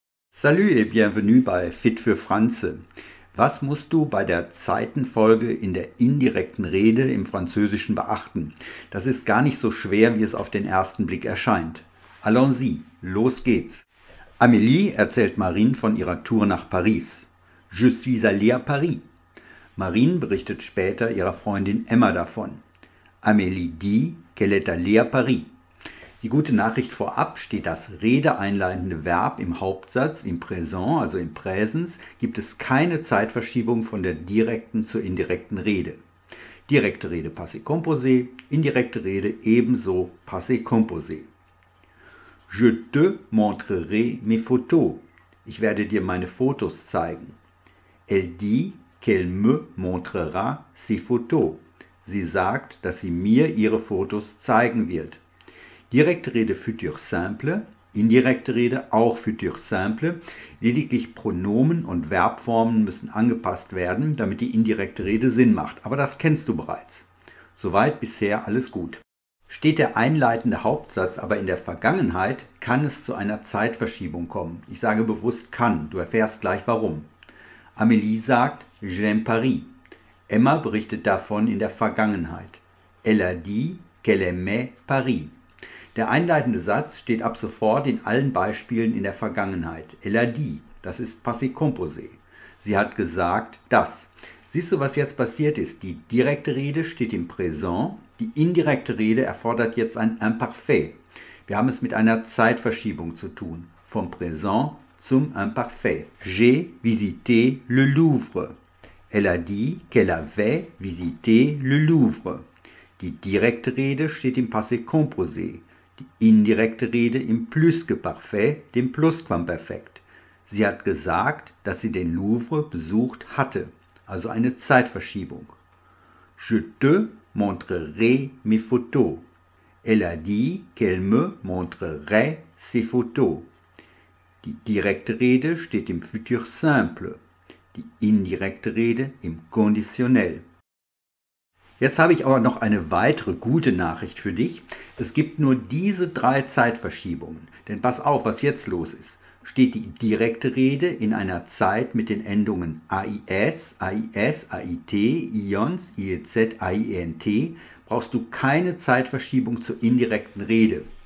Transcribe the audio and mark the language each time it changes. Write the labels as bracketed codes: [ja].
[fr] Salut et bienvenue [de] bei Fit für Franze. Was musst du bei der Zeitenfolge in der indirekten Rede im Französischen beachten? Das ist gar nicht so schwer, wie es auf den ersten Blick erscheint. [fr] Allons-y, [de] los geht's. Amélie erzählt Marine von ihrer Tour nach Paris. [fr] Je suis allée à Paris. [de] Marine berichtet später ihrer Freundin Emma davon. [fr] Amélie dit qu'elle est allée à Paris. [de] Die gute Nachricht vorab: steht das redeeinleitende Verb im Hauptsatz, im Präsent, also im Präsens, gibt es keine Zeitverschiebung von der direkten zur indirekten Rede. Direkte Rede passé composé, indirekte Rede ebenso passé composé. [fr] Je te montrerai mes photos. [de] Ich werde dir meine Fotos zeigen. [fr] Elle dit qu'elle me montrera ses photos. [de] Sie sagt, dass sie mir ihre Fotos zeigen wird. Direkte Rede futur simple, indirekte Rede auch futur simple. Lediglich Pronomen und Verbformen müssen angepasst werden, damit die indirekte Rede Sinn macht. Aber das kennst du bereits. Soweit bisher alles gut. Steht der einleitende Hauptsatz aber in der Vergangenheit, kann es zu einer Zeitverschiebung kommen. Ich sage bewusst kann, du erfährst gleich warum. Amélie sagt, [fr] j'aime Paris. [de] Emma berichtet davon in der Vergangenheit. [fr] Elle a dit qu'elle aimait Paris. [de] Der einleitende Satz steht ab sofort in allen Beispielen in der Vergangenheit. [fr] Elle a dit, [de] das ist passé composé. Sie hat gesagt, das. Siehst du, was jetzt passiert ist? Die direkte Rede steht im Präsent, die indirekte Rede erfordert jetzt ein Imparfait. Wir haben es mit einer Zeitverschiebung zu tun. Vom Präsent zum Imparfait. [fr] J'ai visité le Louvre. Elle a dit qu'elle avait visité le Louvre. [de] Die direkte Rede steht im passé composé. Die indirekte Rede im Plusqueparfait, dem Plusquamperfekt. Sie hat gesagt, dass sie den Louvre besucht hatte, also eine Zeitverschiebung. [fr] Je te montrerai mes photos. Elle a dit qu'elle me montrerait ses photos. [de] Die direkte Rede steht im futur simple, die indirekte Rede im Konditionell. Jetzt habe ich aber noch eine weitere gute Nachricht für dich. Es gibt nur diese drei Zeitverschiebungen. Denn pass auf, was jetzt los ist. Steht die direkte Rede in einer Zeit mit den Endungen AIS, AIS, AIT, IONS, IEZ, AINT, brauchst du keine Zeitverschiebung zur indirekten Rede.